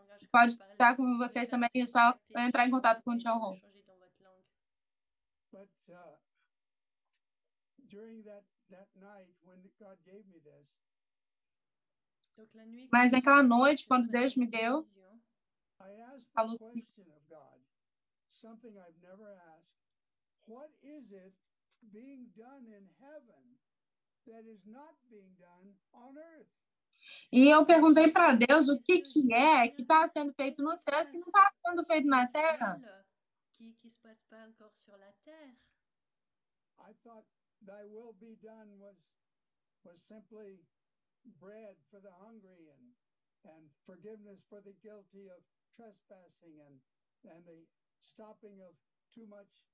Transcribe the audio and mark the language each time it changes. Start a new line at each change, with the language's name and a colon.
Portuguese: Pode estar com vocês também, é só entrar em contato com Chung Ho.
English: But during that night when God gave me this.
Portuguese: Mas naquela noite quando Deus me deu,
English: I asked the question of God, something I've never asked. What is it being done in heaven that is not being done on earth?
Portuguese: E eu perguntei para Deus o que é que está sendo feito nos céus que não está sendo feito na terra.
French: Que se passa pas encore sur la terre.
English: I thought thy will be done was simply bread for the hungry and forgiveness for the guilty of trespassing and the stopping of too much.